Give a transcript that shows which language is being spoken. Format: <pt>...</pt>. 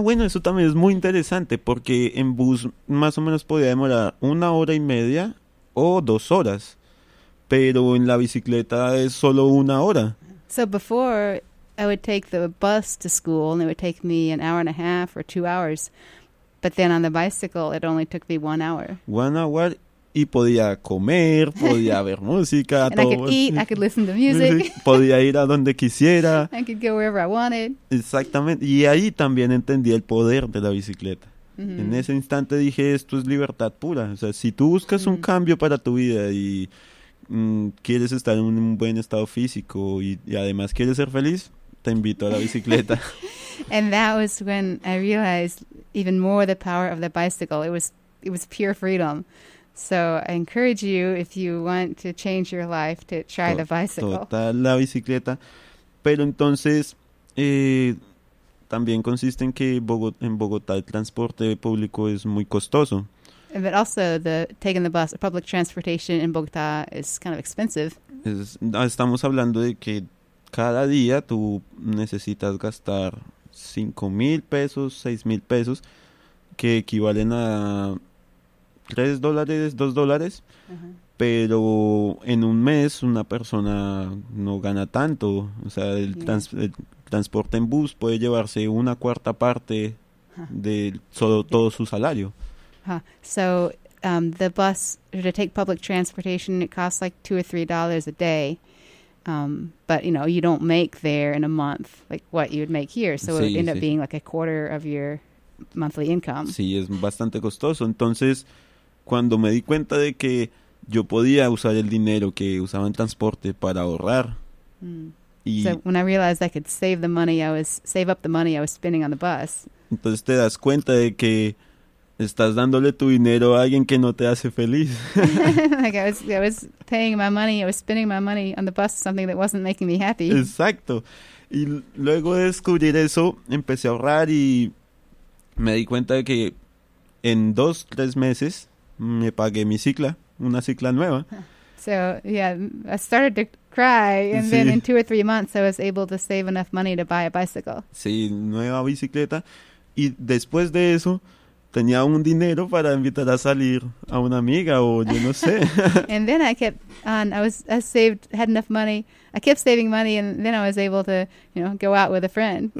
<es>bueno, eso también es muy interesante, porque en bus más o menos podía demorar una hora y media o dos horas, pero en la bicicleta es solo una hora.</es> <en>So before... I would take the bus to school, and it would take me an hour and a half or 2 hours. But then on the bicycle, it only took me 1 hour. 1 hour,</en> <es>y podía comer, podía ver música.</es> <en>And</en> <es>todo.</es> <en>I could eat, I could listen to music.</en> <es>Podía ir a donde quisiera.</es> <en>I could go wherever I wanted.</en> <es>Exactamente. Y ahí también entendí el poder de la bicicleta. Mm-hmm. En ese instante dije, esto es libertad pura. O sea, si tú buscas un cambio para tu vida y... quieres estar en un buen estado físico y además quieres ser feliz, te invito a la bicicleta.</es> <en>And that was when I realized even more the power of the bicycle. It was pure freedom. So I encourage you, if you want to change your life, to try the bicycle.</en> <es>Total, la bicicleta. Pero entonces también consiste en que en Bogotá el transporte público es muy costoso.</es> <en>But also taking the bus, public transportation in Bogotá is kind of expensive.</en> <es>Estamos hablando de que cada día tú necesitas gastar 5,000 pesos, 6,000 pesos, que equivalen a $3, $2. Uh-huh. Pero en un mes una persona no gana tanto. O sea, el transporte en bus puede llevarse una cuarta parte de todo su salario.</es> <en>So the bus, to take public transportation, it costs like $2 or $3 a day. But, you know, you don't make there in a month like what you would make here. So it would end up being like a quarter of your monthly income.</en> <es>Sí, es bastante costoso. Entonces, cuando me di cuenta de que yo podía usar el dinero que usaba en transporte para ahorrar.</es> <en>So when I realized I could save up the money I was spending on the bus.</en> <es>Entonces te das cuenta de que... Estás dándole tu dinero a alguien que no te hace feliz.</es> <en>Like I was paying my money, I was spending my money on the bus, something that wasn't making me happy.</en> <es>Exacto. Y luego de descubrir eso, empecé a ahorrar y me di cuenta de que en 2-3 meses me pagué mi cicla, una cicla nueva.</es> <en>So, yeah, I started to cry, and then in 2 or 3 months I was able to save enough money to buy a bicycle.</en> <es>Sí, nueva bicicleta. Y después de eso... Tenía un dinero para invitar a salir a una amiga o yo no sé.</es> <en>And then I kept on, had enough money. I kept saving money and then I was able to, you know, go out with a friend.</en>